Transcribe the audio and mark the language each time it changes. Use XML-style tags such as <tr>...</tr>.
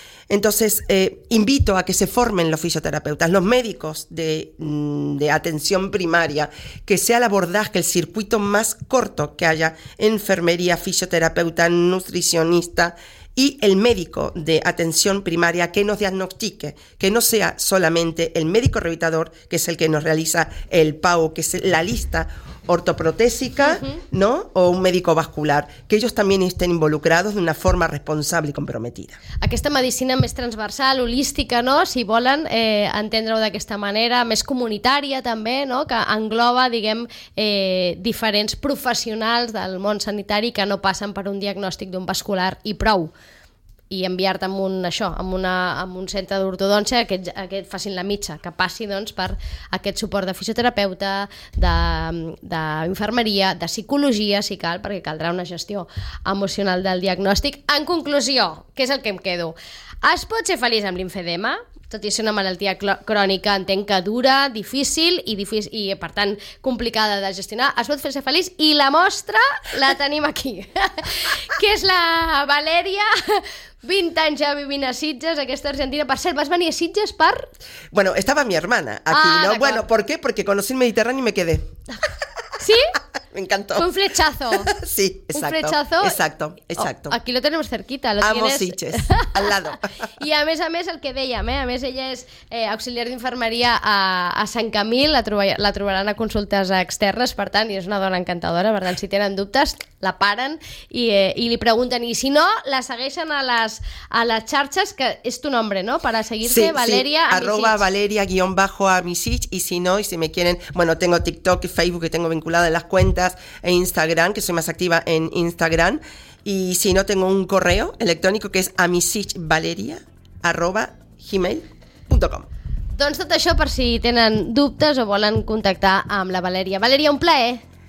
<es>Entonces, invito a que se formen los fisioterapeutas, los médicos de atención primaria, que sea el abordaje, el circuito más corto que haya, enfermería, fisioterapeuta, nutricionista y el médico de atención primaria que nos diagnostique, que no sea solamente el médico rehabilitador, que es el que nos realiza el PAU, que es la lista ortoprotésica, ¿no? O un médico vascular, que ellos también estén involucrados de una forma responsable y comprometida.</es> <ca>Aquesta medicina més transversal, holística, ¿no? Si volen entendre-ho d'aquesta manera, més comunitària també, ¿no? Que engloba, diguem, diferents professionals del món sanitari que no passen per un diagnòstic d'un vascular i prou. I enviar-te amb un centre d'ortodòncia que et facin la mitja, que passi doncs per aquest suport de fisioterapeuta, d'infermeria, de psicologia, si cal, perquè caldrà una gestió emocional del diagnòstic. En conclusió, què és el que em quedo? Es pot ser feliç amb l'infedema? Tot i ser una malaltia crònica, entenc que dura, difícil i per tant complicada de gestionar, es pot fer-se feliç i la mostra la tenim aquí, que és la Valèria, 20 anys ja vivint a Sitges, aquesta argentina. Per cert, vas venir a Sitges per...</ca> <es>Bueno, estaba mi hermana aquí, ¿no?</es> <ca>D'acord.</ca> <es>Bueno, ¿por qué? Porque conocí el Mediterráneo y me quedé. ¿Sí? Me encantó. Fue un flechazo. Sí, exacto. Un flechazo. Exacto, exacto. Oh, aquí lo tenemos cerquita. Amo Sitges, al lado.</es> <ca>I a més, el que dèiem, a més ella és auxiliar d'infermeria a Sant Camil, la trobaran a consultes externes, per tant, i és una dona encantadora, per tant, si tenen dubtes, la paren i li pregunten, i si no, la segueixen a les xarxes, que és</ca> <es>tu nombre,</es> <ca>no?, per a seguir-te, sí, Valeria, sí.</ca> <es>@ Valeria _Amisich,</es> <ca>i si no,</ca> <es>i si me quieren, bueno, tengo TikTok y Facebook que tengo vinculada en las cuentas, e Instagram, que soy más activa en Instagram, y si no, tengo un correo electrónico que es amisichvaleria@gmail.com.</es> <ca>Doncs tot això per si tenen dubtes o volen contactar amb la Valèria. Valèria, un plaer.</ca>